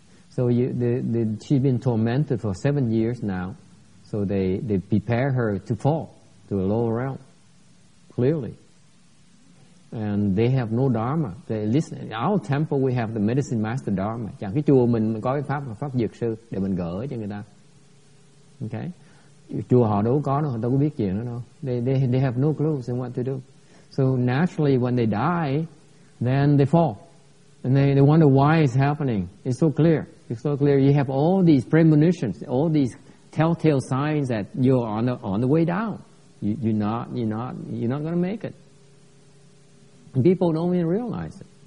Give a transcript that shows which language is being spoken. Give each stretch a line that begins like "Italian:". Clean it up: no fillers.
English: So she's been tormented for 7 years now, so they prepare her to fall to a lower realm clearly. And they have no dharma. They listen. In our temple, we have the medicine master dharma.
Vietnamese: Chẳng cái chùa mình có cái pháp dược sư để mình gỡ cho người ta. Okay, chùa họ đâu có đâu, đâu có biết chuyện đó đâu.
English: They have no clue what to do. So naturally, when they die, then they fall, and they wonder why it's happening. It's so clear. It's so clear. You have all these premonitions, all these telltale signs that you're on the way down. You're not gonna make it. And people don't even realize it.